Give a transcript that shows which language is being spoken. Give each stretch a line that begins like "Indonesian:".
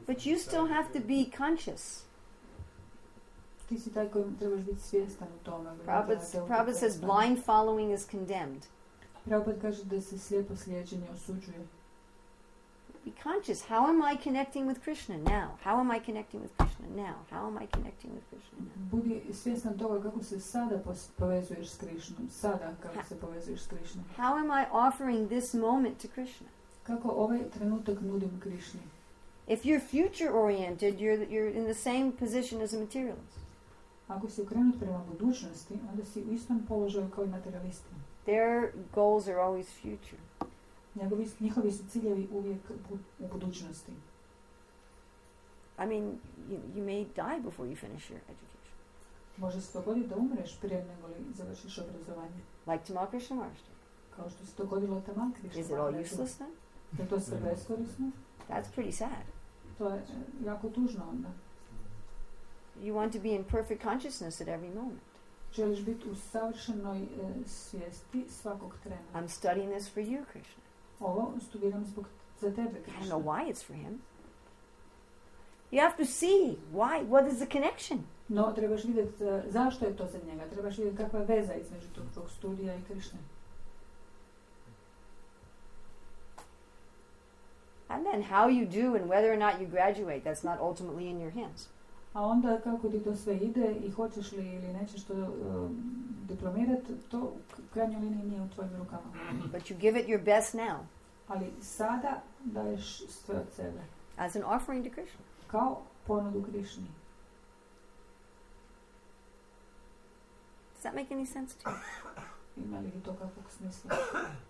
English: But you still have to be conscious.
Croatian: Ti si taj koji trebaš biti svjestan u tome.
English: Prabhupada says blind following is condemned.
Croatian: Prabhupada kaže da se slijepo slijeđenje osuđuje.
English: Be conscious. How am I connecting with Krishna now? How am I connecting with Krishna now? How am I connecting with Krishna now?
Croatian: Budi svjestan toga kako se sada povezuješ s Krishnom. Sada kako se povezuješ s Krishnom.
English: How am I offering this moment to Krishna?
Croatian: Kako ovaj trenutak nudim Krishni?
English: If you're future oriented, you're in the same position as a materialist.
Croatian: Ako si okrenut prema budućnosti, onda si u istom položaju kao I materialisti.
English: Their goals are always future.
Croatian: Njihovi su ciljevi uvijek u budućnosti.
English: I mean, you may die before you finish your education.
Croatian: Može se dogoditi da umreš prije nego li završiš obrazovanje.
English: Like Tamal Krishna Maharshi.
Croatian: Kao što se dogodilo Tamal Krishna.
English: Is it all useless then?
Croatian: Da to sve beskorisno?
English: That's pretty sad.
Croatian: To je jako tužno onda.
English: You want to be in perfect consciousness at every moment.
Croatian: Želiš biti u savršenoj svijesti svakog trena.
English: I'm studying this for you, Krishna.
Croatian: Ovo studiram zbog za tebe, Krishna.
English: I don't know why it's for him. You have to see why, what is the connection.
Croatian: No, trebaš vidjeti zašto je to za njega. Trebaš vidjeti kakva je veza između tog studija I Krishna.
English: And then how you do and whether or not you graduate, that's not ultimately in your hands.
Croatian: A onda kako ti to sve ide I hoćeš li ili nećeš to diplomirati, to u krajnjoj liniji nije u tvojim rukama.
English: But you give it your best now.
Croatian: Ali sada daješ sve od sebe.
English: As an offering to Krishna.
Croatian: Kao ponudu Krishni.
English: Does that make any sense to you?
Croatian: Ima li to kakvog smisla?